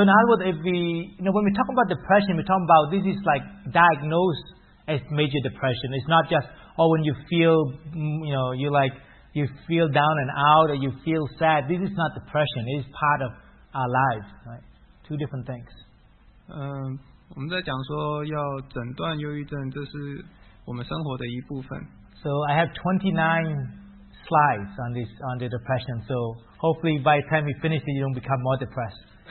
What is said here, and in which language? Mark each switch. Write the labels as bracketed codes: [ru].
[en] in other words, if we, you know, when we talk about depression, we talk about this is like diagnosed as major depression. It's not just when you feel, you know, you feel down and out, or you feel sad. This is not depression. It is part of our lives, right? Two different things. [zh] 我们在讲说要诊断忧郁症，这是我们生活的一部分. [en] So I have 29 slides on this on the depression. So hopefully by the time we finish it, you don't become more depressed.